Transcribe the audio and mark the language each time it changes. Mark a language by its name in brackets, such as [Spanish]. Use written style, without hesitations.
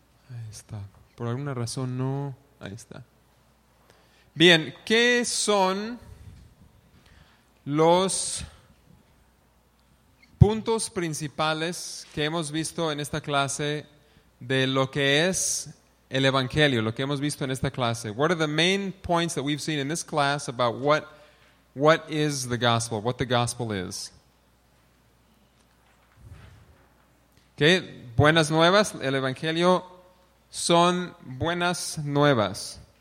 [Spanish] Ahí está. Por alguna razón no... Ahí está. Bien, ¿qué son los puntos principales que hemos visto en esta clase de lo que es el Evangelio, lo que hemos visto en esta clase? [English] What are the main points that we've seen in this class about what is the gospel, what the gospel is? [Spanish] Okay, buenas nuevas, el Evangelio son buenas nuevas.